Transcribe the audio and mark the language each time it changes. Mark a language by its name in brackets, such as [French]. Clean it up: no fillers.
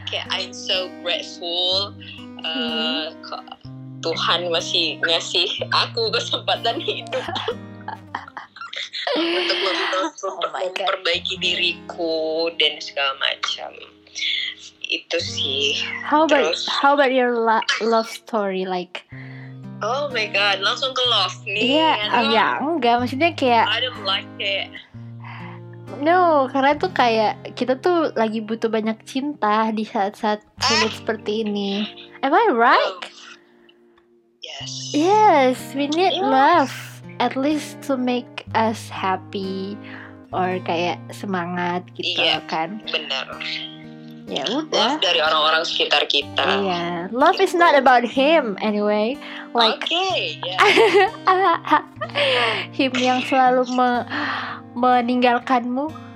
[English] okay, I'm so grateful. [Indonesian] Tuhan masih ngasih aku kesempatan hidup untuk memperbaiki diriku dan segala macam itu sih. [English] How about your love story, like? Oh my god, [Indonesian] langsung ke love nih. Iya, yeah, ya enggak, maksudnya kayak. [English] I don't like it. [Indonesian] No, karena itu kayak kita tuh lagi butuh banyak cinta di saat-saat sulit seperti ini. [English] Am I right? [Indonesian] Oh. [English] Yes, we need love at least to make us happy or [Indonesian] kayak semangat gitu. Iya, kan? Benar. Ya udah. Love dari orang-orang sekitar kita. Iya, yeah. [English] Love is not about him anyway. Like, okay, yeah. [Indonesian] Him yang selalu meninggalkanmu.